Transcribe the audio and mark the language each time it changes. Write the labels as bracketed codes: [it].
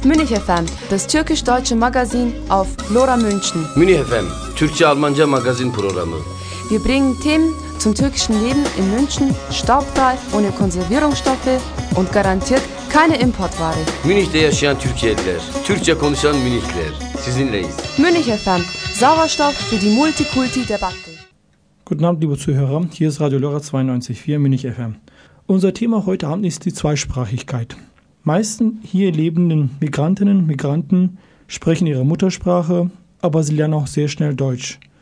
[de] Münih FM, das türkisch-deutsche Magazin auf Lora München. [tr] Münih FM, Türkçe-Almanca Magazin Programmı. [de] Wir bringen Themen zum türkischen Leben in München, staubfrei, ohne Konservierungsstoffe und garantiert keine Importware. [tr] Münih'te yaşayan Türkiye'liler, Türkçe konuşan Münihler, sizinleyiz. [de] Münih FM, Sauerstoff für die Multikulti-Debatte. Guten Abend, liebe Zuhörer, hier ist Radio Lora 92.4 Münih FM. Unser Thema heute Abend ist die Zweisprachigkeit. Meisten hier lebenden Migrantinnen und Migranten sprechen ihre Muttersprache, aber sie lernen auch sehr schnell Deutsch.